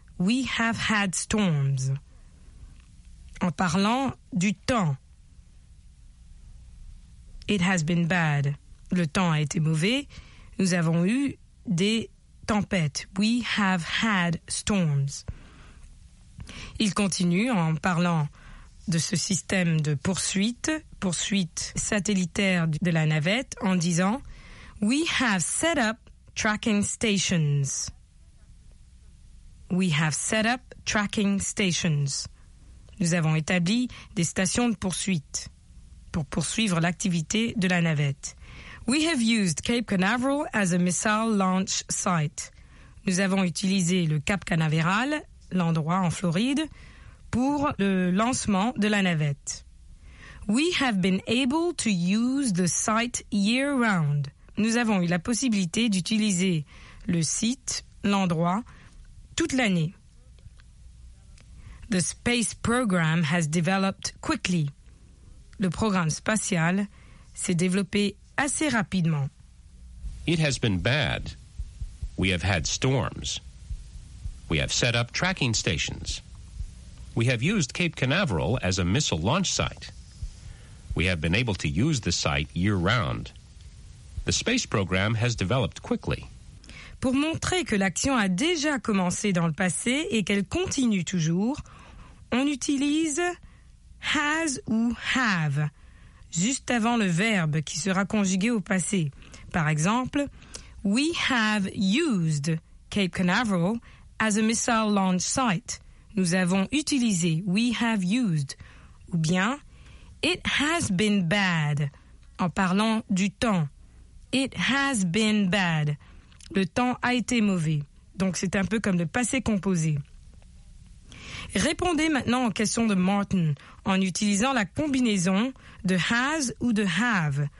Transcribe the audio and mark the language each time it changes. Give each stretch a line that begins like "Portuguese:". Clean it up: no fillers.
English: We have had storms. »
French: En parlant du temps. «
English: It has been bad.
French: » Le temps a été mauvais. Nous avons eu des tempêtes. «
English: We have had storms.
French: » Il continue en parlant de ce système de poursuite, poursuite satellitaire de la navette, en disant «
English: We have set up tracking stations. We have set up tracking stations.
French: Nous avons établi des stations de poursuite pour poursuivre l'activité de la navette.
English: We have used Cape Canaveral as a missile launch site.
French: Nous avons utilisé le Cap Canaveral, l'endroit en Floride, pour le lancement de la navette.
English: We have been able to use the site year round.
French: Nous avons eu la possibilité d'utiliser le site, l'endroit, toute l'année.
English: The space program has developed quickly.
French: Le programme spatial s'est développé assez rapidement.
English: It has been bad. We have had storms. We have set up tracking stations. We have used Cape Canaveral as a missile launch site. We have been able to use the site year-round. The space program has developed quickly.
French: pour montrer que l'action a déjà commencé dans le passé et qu'elle continue toujours, on utilise has ou have juste avant le verbe qui sera conjugué au passé. Par exemple,
English: we have used Cape Canaveral as a missile launch site.
French: Nous avons utilisé,
English: we have used.
French: Ou bien,
English: it has been bad,
French: en parlant du temps.
English: It has been bad.
French: Le temps a été mauvais. Donc, c'est un peu comme le passé composé. Répondez maintenant aux questions de Martin en utilisant la combinaison de has ou de have.